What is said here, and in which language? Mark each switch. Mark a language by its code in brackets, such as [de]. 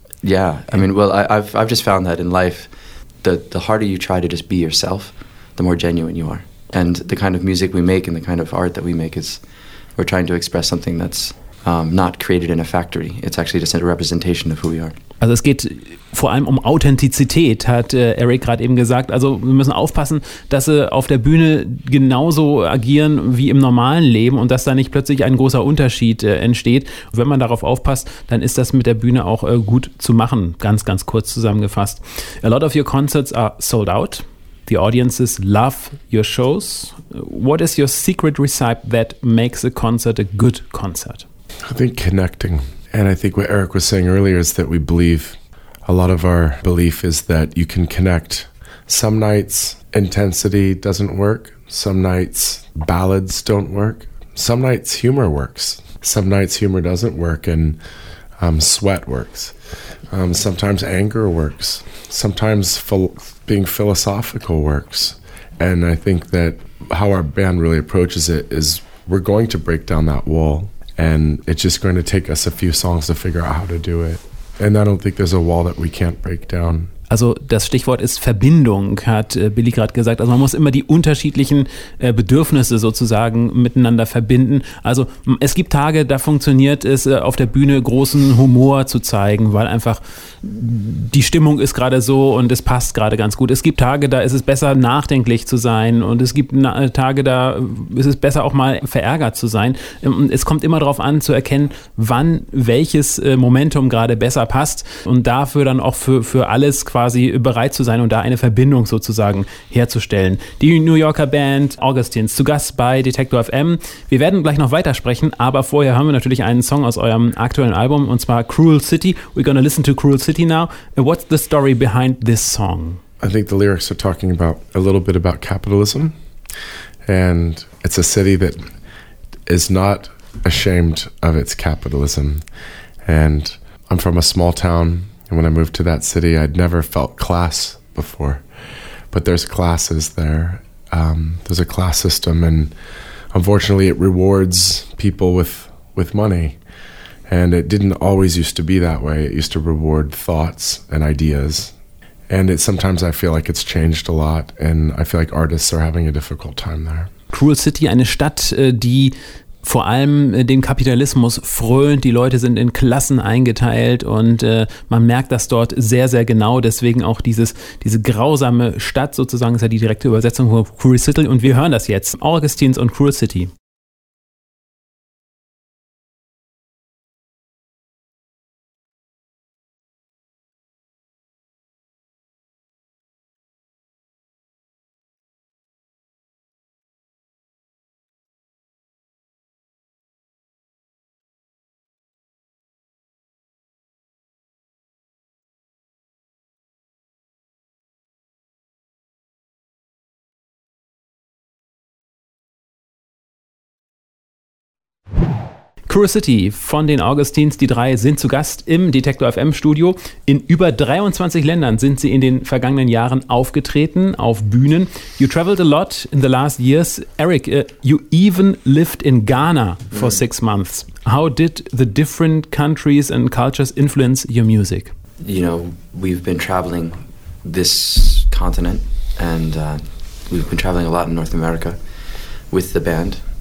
[en] Yeah, I mean, well, I've just found that in life, the harder you try to just be yourself, the more genuine you are. And the kind of music we make and the kind of art that we make is we're trying to express something that's not created in a factory. It's actually just a representation of who we are. [de] Also es geht vor allem um Authentizität, hat Eric gerade eben gesagt. Also wir müssen aufpassen, dass sie auf der Bühne genauso agieren wie im normalen Leben und dass da nicht plötzlich ein großer Unterschied entsteht. Und wenn man darauf aufpasst, dann ist das mit der Bühne auch gut zu machen, ganz, ganz kurz zusammengefasst. [en] A lot of your concerts are sold out. The audiences love your shows. What is your secret recipe that makes a concert a good concert? I think connecting. And I think what Eric was saying earlier is that we believe, a lot of our belief is that you can connect. Some nights, intensity doesn't work. Some nights, ballads don't work. Some nights, humor works. Some nights, humor doesn't work and sweat works. Sometimes, anger works. Sometimes, being philosophical works. And I think that how our band really approaches it is we're going to break down that wall. And it's just going to take us a few songs to figure out how to do it. And I don't think there's a wall that we can't break down. [de] Also das Stichwort ist Verbindung, hat Billy gerade gesagt. Also man muss immer die unterschiedlichen Bedürfnisse sozusagen miteinander verbinden. Also es gibt Tage, da funktioniert es auf der Bühne großen Humor zu zeigen, weil einfach die Stimmung ist gerade so und es passt gerade ganz gut. Es gibt Tage, da ist es besser nachdenklich zu sein und es gibt Tage, da ist es besser auch mal verärgert zu sein. Und es kommt immer darauf an zu erkennen, wann welches Momentum gerade besser passt und dafür dann auch für alles quasi quasi bereit zu sein und da eine Verbindung sozusagen herzustellen. Die New Yorker Band Augustins zu Gast bei Detektor FM. Wir werden gleich noch weitersprechen, aber vorher haben wir natürlich einen Song aus eurem aktuellen Album und zwar Cruel City. [en] We're gonna listen to Cruel City now. What's the story behind this song? I think the lyrics are talking about a little bit about capitalism and it's a city that is not ashamed of its capitalism. And I'm from a small town, and when I moved to that city, I'd never felt class before. But there's classes there. There's a class system, and unfortunately, it rewards people with money. And it didn't always used to be that way. It used to reward thoughts and ideas. And it sometimes I feel like it's changed a lot, and I feel like artists are having a difficult time there. [de] Cruel City, eine Stadt, die vor allem den Kapitalismus frönt. Die Leute sind in Klassen eingeteilt und man merkt das dort sehr, sehr genau. Deswegen auch diese grausame Stadt sozusagen, ist ja die direkte Übersetzung von Cruel City. Und wir hören das jetzt. Augustins und Cruel City. Cruel City von den Augustins. Die drei sind zu Gast im Detektor FM Studio. In über 23 Ländern sind sie in den vergangenen Jahren aufgetreten, auf Bühnen. [en] You traveled a lot in the last years. Eric, you even lived in Ghana for 6 months. How did the different countries and cultures influence your music? You know, we've been traveling this continent and we've been traveling a lot in North America with the band.